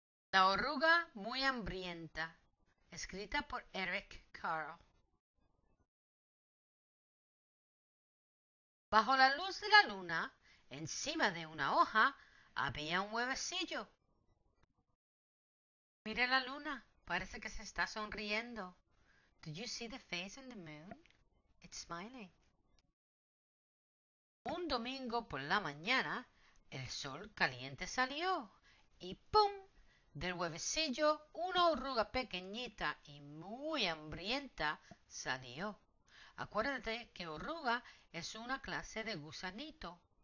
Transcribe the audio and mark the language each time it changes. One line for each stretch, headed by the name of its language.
Spanish: La oruga muy hambrienta. Escrita por Eric Carle. Bajo la luz de la luna, encima de una hoja, había un huevecillo. Mira la luna, parece que se está sonriendo.
English: Do you see the face in the moon? It's smiling.
Spanish: Un domingo por la mañana, el sol caliente salió y ¡pum! Del huevecillo, una oruga pequeñita y muy hambrienta salió. Acuérdate que oruga es una clase de gusanito.